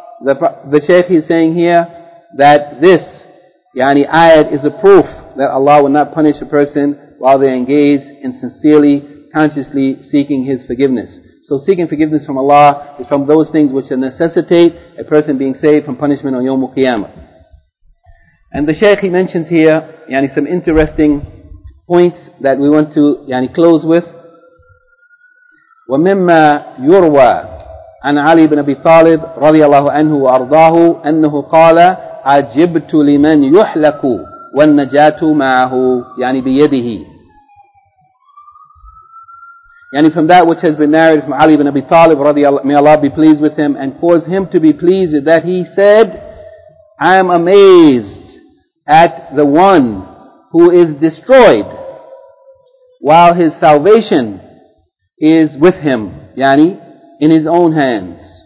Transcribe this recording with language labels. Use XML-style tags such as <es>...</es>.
<en>The Shaykh is saying here that this yani ayat is a proof that Allah will not punish a person while they are engaged in sincerely, consciously seeking His forgiveness. So seeking forgiveness from Allah is from those things which necessitate a person being saved from punishment on Yawm al-Qiyamah. And the Shaykh, he mentions here yani some interesting points that we want to yani close with.</en> <ar>وَمِمَّا يُرْوَى عَنْ عَلِي بْنَ أَبِي طَالِبْ رَضِيَ اللَّهُ عَنْهُ وَأَرْضَاهُ أَنَّهُ قَالَ عَجِبْتُ لِمَنْ يُحْلَكُ وَالنَّجَاةُ مَعَهُ يعني بِيَدِهِ.</ar> <en>Yani from that which has been narrated from Ali ibn Abi Talib, may Allah be pleased with him and cause him to be pleased, that he said, I am amazed at the one who is destroyed while his salvation is with him, yani in his own hands.</en>